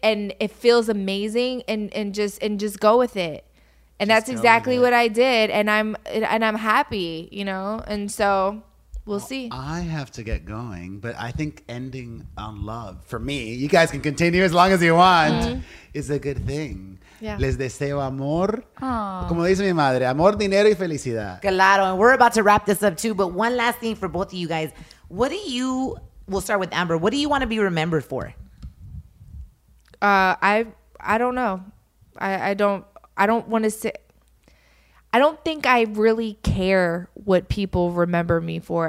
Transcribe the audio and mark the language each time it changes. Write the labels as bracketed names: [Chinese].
[English] And it feels amazing. And just go with it. And just that's exactly what I did. And I'm happy, you know? And so we'll see. I have to get going. But I think ending on love, for me, you guys can continue as long as you want, is a good thing. Yeah. [Spanish] Les deseo amor. Aww. Como dice mi madre, amor, dinero y felicidad. Claro. [English] And we're about to wrap this up too. But one last thing for both of you guys. What do you, we'll start with Amber. What do you want to be remembered for? I don't know. I don't think I really care what people remember me for.